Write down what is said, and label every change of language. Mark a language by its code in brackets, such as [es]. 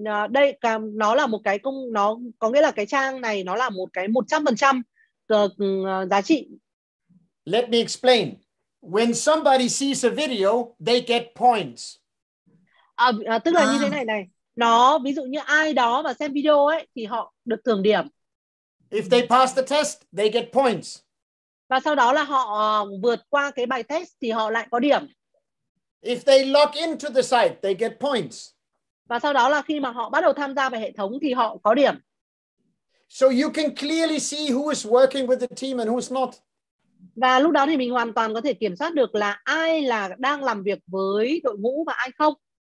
[vi] Đây nó là một cái công, nó có nghĩa là cái trang này nó là một cái 100% giá trị. [en] Let me explain. When somebody sees a video, they get points. [vi] Tức là như thế này này. Nó ví dụ như ai đó mà xem video ấy thì họ được thưởng điểm. [en] If they pass the test, they get points. [vi] Và sau đó là họ vượt qua cái bài test thì họ lại có điểm. [en] If they log into the site, they get points. [vi] Và sau đó là khi mà họ bắt đầu tham gia vào hệ thống thì họ có điểm. [en] So you can clearly see who is working with the team and who's not. [vi] Và lúc đó thì mình hoàn toàn có thể kiểm soát được là ai là đang làm việc với đội ngũ và ai không.